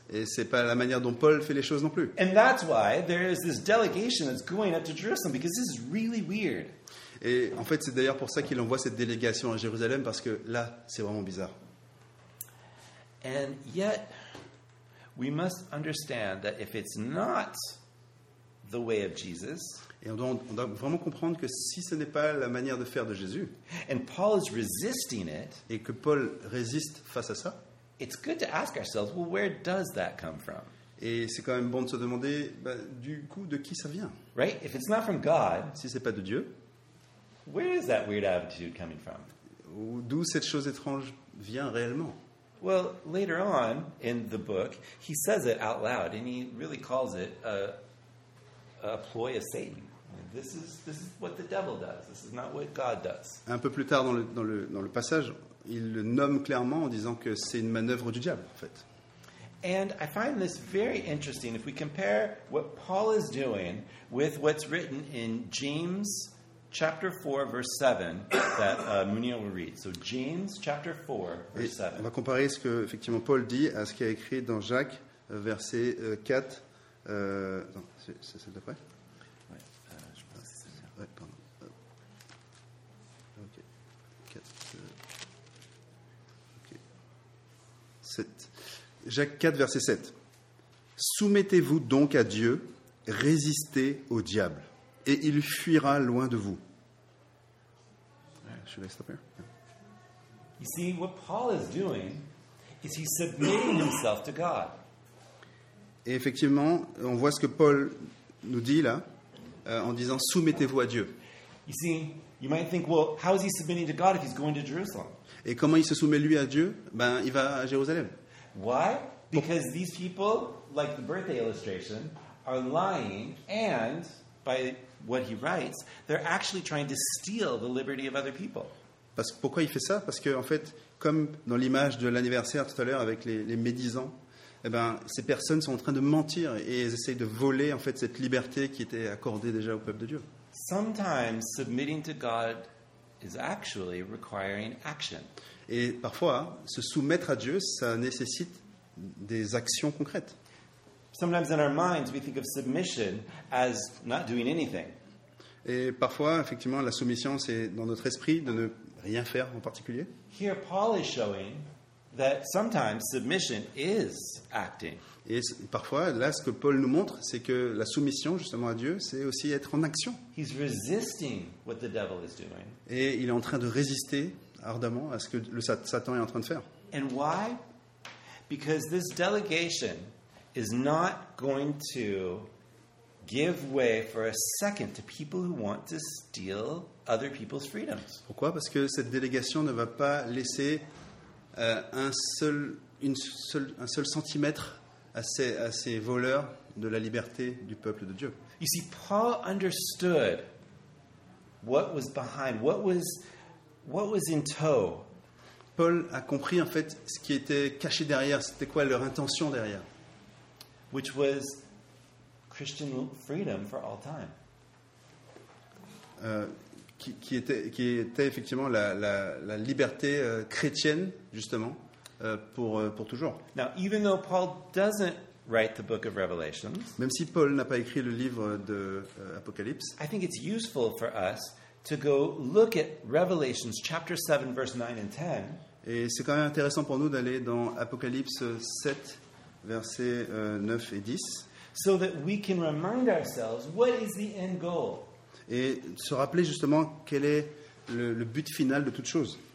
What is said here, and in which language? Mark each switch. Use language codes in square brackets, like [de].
[fr] Et ce n'est pas la manière dont Paul fait les choses non plus. [en] And that's why there is this delegation that's going up to Jerusalem, because this is really weird. [fr] Et en fait, c'est d'ailleurs pour ça qu'il envoie cette délégation à Jérusalem, parce que là, c'est vraiment bizarre. [en] And yet, we must understand that if it's not the way of Jesus... [fr] Et on doit vraiment comprendre que si ce n'est pas la manière de faire de Jésus, [en] and Paul is resisting it, [fr] et que Paul résiste face à ça, [en] it's good to ask ourselves, well, where does that come from? [fr] Et c'est quand même bon de se demander, bah, du coup, de qui ça vient? [en] Right? If it's not from God, [fr] si ce n'est pas de Dieu, [en] where is that weird attitude coming from? [fr] D'où cette chose étrange vient réellement? [en] Well, later on in the book, he says it out loud, and he really calls it a ploy of Satan. This is what the devil does. This is not what God does. [fr] Un peu plus tard dans le passage, il le nomme clairement en disant que c'est une manœuvre du diable, en fait. [en] And I find this very interesting. If we compare what Paul is doing with what's written in James chapter 4, verse 7, that Munir will read. So James chapter 4, verse 7. [fr] On va comparer ce que effectivement Paul dit à ce qui est écrit dans Jacques, verset 4. C'est celle d'après. Ouais, pardon. Ok. 7. Jacques 4, verset 7. Soumettez-vous donc à Dieu, résistez au diable, et il fuira loin de vous. [en] Should I stop here? You see, what Paul is doing is he's submitting himself to God. [fr] Et effectivement, on voit ce que Paul nous dit là, en disant soumettez-vous à Dieu. [en] You see, you might think, well, how is he submitting to God if he's going to Jerusalem? [fr] Et comment il se soumet lui à Dieu? Ben, il va à Jérusalem. [en] Why? Because these people, like the birthday illustration, are lying, and by what he writes, they're actually trying to steal the liberty of other people. [fr] Parce, pourquoi il fait ça? Parce que, en fait, comme dans l'image de l'anniversaire tout à l'heure avec les médisants, eh ben, ces personnes sont en train de mentir et elles essayent de voler en fait, cette liberté qui était accordée déjà au peuple de Dieu. [en] Sometimes submitting to God is actually requiring action. [fr] Et parfois, se soumettre à Dieu, ça nécessite des actions concrètes. [en] Sometimes in our minds, we think of submission as not doing anything. [fr] Et parfois, effectivement, la soumission, c'est dans notre esprit de ne rien faire en particulier. [en] Here, Paul is showing that sometimes submission is acting. [fr] Et parfois, là, ce que Paul nous montre, c'est que la soumission, justement, à Dieu, c'est aussi être en action. [en] He's resisting what the devil is doing. [fr] Et il est en train de résister ardemment à ce que le Satan est en train de faire. [en] And why? Because this delegation is not going to give way for a second to people who want to steal other people's freedoms. [fr] Pourquoi? Parce que cette délégation ne va pas laisser un seul centimètre à ces voleurs de la liberté du peuple de Dieu. [en] You see, Paul understood what was behind, what was in tow. [fr] Paul a compris en fait ce qui était caché derrière, c'était quoi leur intention derrière. [en] Which was Christian freedom for all time. [fr] Qui était effectivement la liberté chrétienne justement pour toujours. [en] Now, even though Paul doesn't write the book of Revelations, [fr] même si Paul n'a pas écrit le livre de Apocalypse, [en] I think it's useful for us to go look at Revelations chapter 7 verse 9 and 10. [fr] Et c'est quand même intéressant pour nous d'aller dans Apocalypse 7 versets 9 et 10. [en] So that we can remind ourselves what is the end goal. [fr] Et se rappeler justement quel est le but final de toute chose.